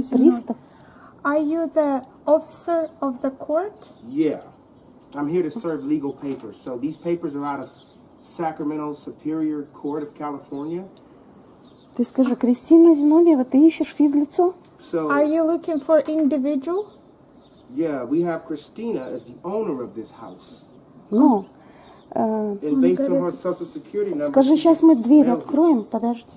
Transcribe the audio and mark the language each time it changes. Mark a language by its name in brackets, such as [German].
[English] Зиновьевой. Are you the officer of the court? Yeah. I'm here to serve legal papers. So these papers are out of Sacramento Superior Court of California. [Russian] Ты скажи, Кристина Зиновьева, ты ищешь физлицо? [English] So, are you looking for individual? Yeah, we have Christina as the owner of this house. No. And based on her social security number. [Russian] Скажи, сейчас мы дверь откроем, подожди.